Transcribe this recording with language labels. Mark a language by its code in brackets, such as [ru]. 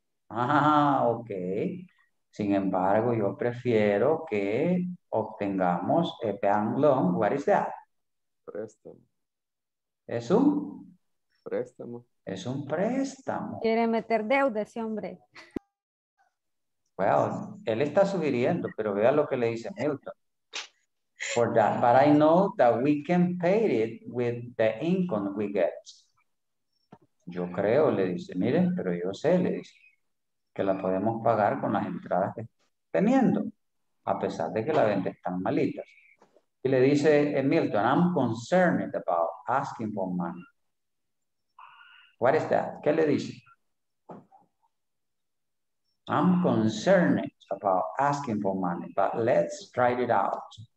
[es] Okay. Sin embargo, yo prefiero que obtengamos [en] a bank loan. What is that? [es] Préstamo. ¿Es un? Préstamo. Es un préstamo. Quiere meter deuda ese hombre. Well, él está sugiriendo, pero vea lo que le dice Milton. [en] For that, but I know that we can pay it with the income we get. [es] Yo creo, le dice, miren, pero yo sé, le dice, que la podemos pagar con las entradas que teniendo, a pesar de que la venta está malita. Y le dice Milton, [en] I'm concerned about asking for money. What is that? [es] ¿Qué le dice? [en] I'm concerned about asking for money, but let's try it out.